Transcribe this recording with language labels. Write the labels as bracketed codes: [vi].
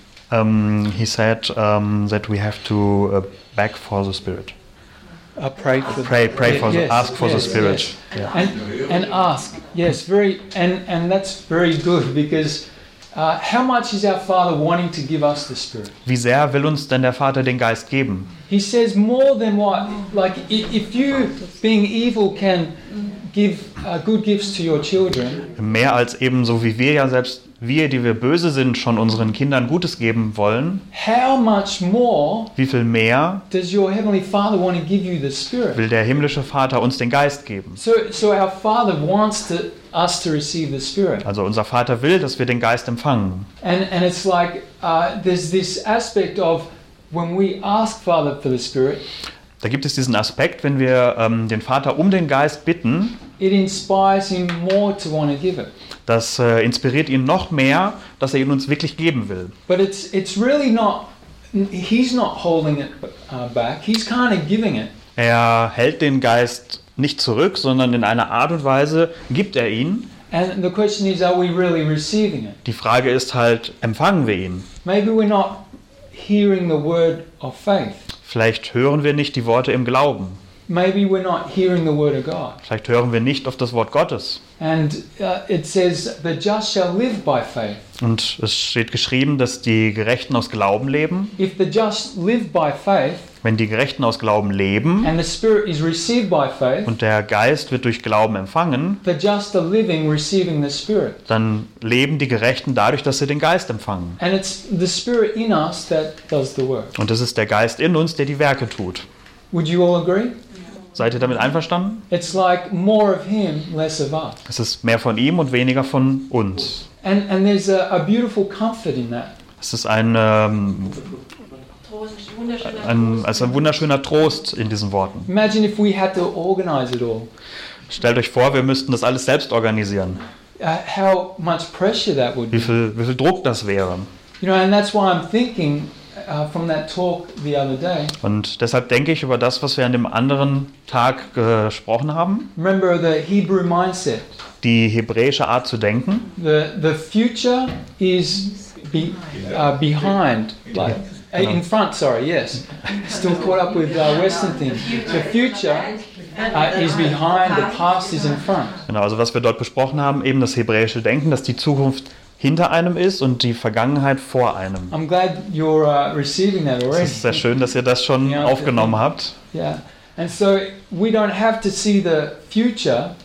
[en] He said that we have to beg for the Spirit. Pray for the Spirit. Yes. Yeah. And ask. Yes, very. And that's very good because how much is our Father wanting to give us the Spirit? [de] Wie sehr will uns denn der Vater den Geist geben? [en] He says more than what, like if you being evil can give good gifts to your children. [de] Mehr als eben so wie wir ja selbst, wir, die wir böse sind, schon unseren Kindern Gutes geben wollen. [en] How much more? [de] Wie viel mehr? [en] Does your heavenly Father want to give you the Spirit? [de] Will der himmlische Vater uns den Geist geben? [en] So our Father wants to. Us to receive the Spirit. [de] Also unser Vater will, dass wir den Geist empfangen. [en] And it's like there's this aspect of when we ask Father for the Spirit. [de] Da gibt es diesen Aspekt, wenn wir den Vater um den Geist bitten. [en] It inspires him more to want to give it. [de] Das inspiriert ihn noch mehr, dass er ihn uns wirklich geben will. [en] But it's really not. He's not holding it back. He's kind of giving it. [de] Er hält den Geist nicht zurück, sondern in einer Art und Weise gibt er ihn. [en] And the question is, are we really receiving it? [de] Die Frage ist halt, empfangen wir ihn? [en] Maybe we're not hearing the word of faith. [de] Vielleicht hören wir nicht die Worte im Glauben. [en] Maybe we're not hearing the word of God. [de] Vielleicht hören wir nicht auf das Wort Gottes. [en] And it says, the just shall live by faith. [de] Und es steht geschrieben, dass die Gerechten aus Glauben leben. [en] If the just live by faith, [de] Wenn die Gerechten aus Glauben leben [en] and the Spirit is received by faith, [de] und der Geist wird durch Glauben empfangen, [en] the just the living receiving the Spirit. [de] Dann leben die Gerechten dadurch, dass sie den Geist empfangen. [en] And it's the Spirit in us that does the work. [de] Und es ist der Geist in uns, der die Werke tut. [en] Would you all agree? [de] Seid ihr damit einverstanden? [en] It's like more of him, less of us. [de] Es ist mehr von ihm und weniger von uns. [en] And there's a beautiful comfort in that. [de] Es ist ein wunderschöner Trost in diesen Worten. [en] Imagine if we had to organize it all. [de] Stellt euch vor, wir müssten das alles selbst organisieren. [en] How much pressure that would be. [de] Wie viel Druck das wäre. [en] You know, and that's why I'm thinking from that talk the other day. [de] Und deshalb denke ich über das, was wir an dem anderen Tag gesprochen haben. [en] Remember the Hebrew mindset. [de] Die hebräische Art zu denken. [en] The future is behind. Like. Genau. In front, sorry, yes. Still caught up with Western things. The future is behind, the past is in front. [de] Genau, also was wir dort besprochen haben, eben das hebräische Denken, dass die Zukunft hinter einem ist und die Vergangenheit vor einem. [en] I'm glad you're receiving that already. [de] Es ist sehr schön, dass ihr das schon aufgenommen habt. [en] Yeah. And so we don't have to see the future.